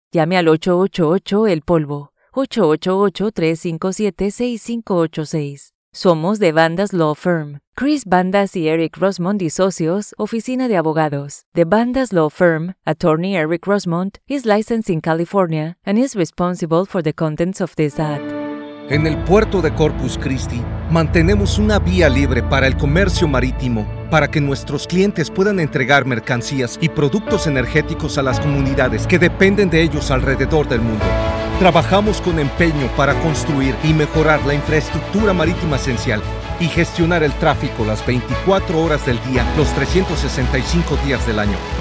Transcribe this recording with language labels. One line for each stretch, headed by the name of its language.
Spanish: Llame al 888-EL-POLVO, 888-357-6586. Somos de Bandas Law Firm. Chris Bandas y Eric Rosmond y socios, oficina de abogados.
English: The Bandas Law Firm, attorney Eric Rosmond, is licensed in California and is responsible for the contents of this ad.
Spanish: En el puerto de Corpus Christi, mantenemos una vía libre para el comercio marítimo, para que nuestros clientes puedan entregar mercancías y productos energéticos a las comunidades que dependen de ellos alrededor del mundo. Trabajamos con empeño para construir y mejorar la infraestructura marítima esencial y gestionar el tráfico las 24 horas del día, los 365 días del año.